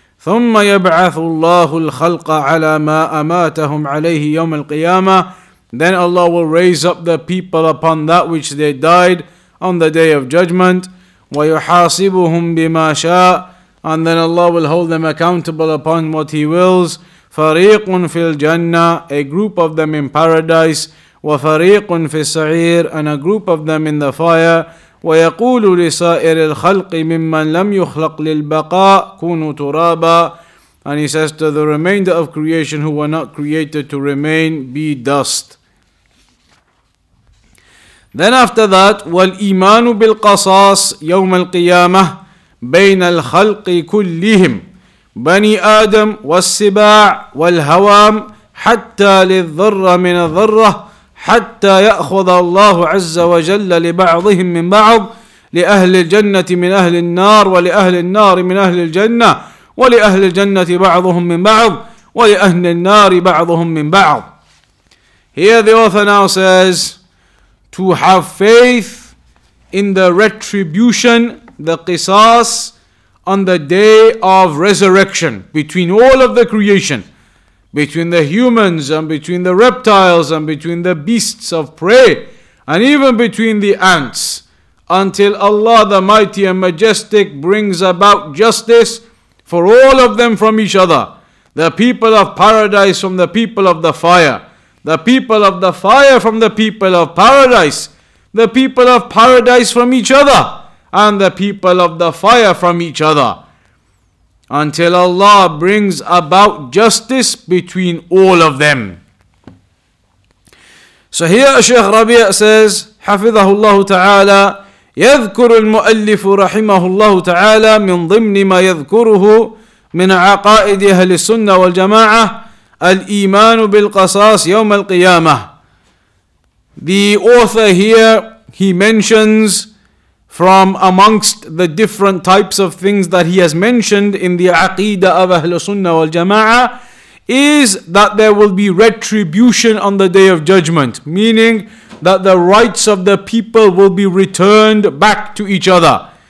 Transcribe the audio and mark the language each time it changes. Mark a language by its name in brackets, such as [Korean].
[Arabic] ثم يبعث الله الخلق على ما أماتهم عليه يوم القيامة. [English] Then Allah will raise up the people upon that which they died on the day of judgment. [Arabic] ويحاسبهم بما شاء. [English] And then Allah will hold them accountable upon what He wills. [Arabic] فريق في الجنة. [English] A group of them in paradise. [Arabic] وفريق في السعير. [English] And a group of them in the fire. [Arabic] وَيَقُولُ لِسَائِرِ الْخَلْقِ مِمَّنْ لَمْ يُخْلَقْ لِلْبَقَاءِ كُونُوا تُرَابًا. [English] And he says to the remainder of creation who were not created to remain, be dust. Then after that, [Arabic] وَالْإِيمَانُ بِالْقَصَاصِ يَوْمَ الْقِيَامَةِ بَيْنَ الْخَلْقِ كُلِّهِمْ بَنِي آدَمْ وَالسِّبَاعِ وَالْهَوَامِ حَتَّى لِلذَّرَّ مِنَ الذَّرَّةِ حتى يأخذ الله عز وجل لبعضهم من بعض لأهل الجنة من أهل النار ولأهل النار من أهل الجنة ولأهل الجنة بعضهم من بعض ولأهل النار بعضهم من بعض. [English] Here the author now says, to have faith in the retribution, the qisas, on the day of resurrection between all of the creation, between the humans and between the reptiles and between the beasts of prey and even between the ants, until Allah the Mighty and Majestic brings about justice for all of them from each other, the people of paradise from the people of the fire, the people of the fire from the people of paradise, the people of paradise from each other, and the people of the fire from each other. Until Allah brings about justice between all of them. So here Shaykh Rabee says, [Arabic] حفظه الله تعالى يذكر المؤلف رحمه الله تعالى من ضمن ما يذكره من عقائد أهل السنة والجماعة الإيمان بالقصاص يوم القيامة. [English] The author here, he mentions from amongst the different types of things that he has mentioned in the Aqeedah of Ahl-Sunnah wal-Jama'ah, is that there will be retribution on the Day of Judgment, meaning that the rights of the people will be returned back to each other.